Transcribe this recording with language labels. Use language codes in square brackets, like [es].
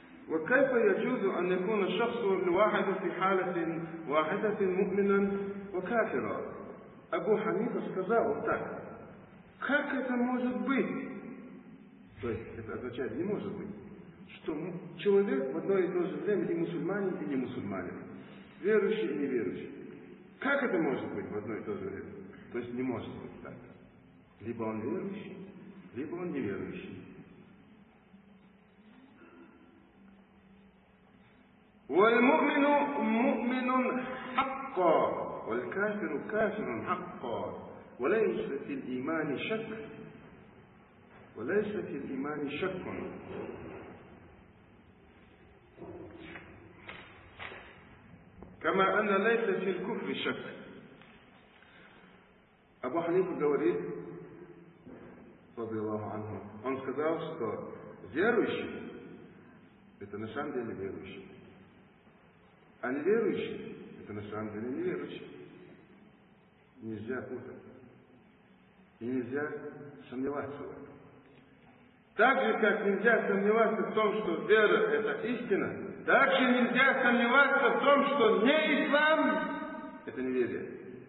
[ar] وكيف يجوز أن يكون الشخص الواحد في حالة واحدة مؤمنا وكافرا؟ أبو حنيفة [ru] сказал так: как это может быть? То есть это означает не может быть, что человек в одно и то же время и мусульманин и не мусульманин, верующий и неверующий. Как это может быть в одно и то же время? То есть не может быть так. Либо он верующий, либо он неверующий. [ar] والمؤمن مؤمن حقا والكافر كافر حقا وليس في الإيمان شك وليس في الإيمان شك كما أن ليس في الكفر شك. أبو حنيفة الدوري رضي الله عنه قال [ru] верующим, это на самом деле верующим. А неверующим, это на самом деле неверующим. Нельзя путать. И нельзя сомневаться в этом. Так же, как нельзя сомневаться в том, что вера – это истина, так же нельзя сомневаться в том, что не ислам – это неверие.